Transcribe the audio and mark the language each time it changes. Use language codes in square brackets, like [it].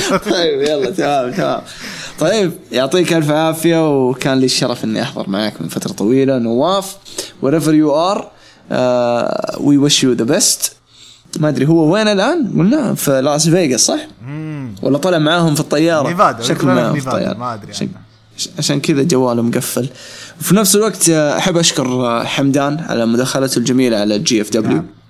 [ar] طيب يلا تمام طيب يعطيك الف عافيه، وكان لي الشرف اني احضر معك من فتره طويله نواف. [en] wherever you are we wish you the best. [ar] ما ادري هو وين الان، قلنا في لاس فيغاس صح ولا طلع معاهم في الطياره؟ شكله معاهم في الطياره ما ادري عشان كذا جواله مقفل. وفي نفس الوقت احب اشكر حمدان على مداخلته الجميله على الجي اف دبليو.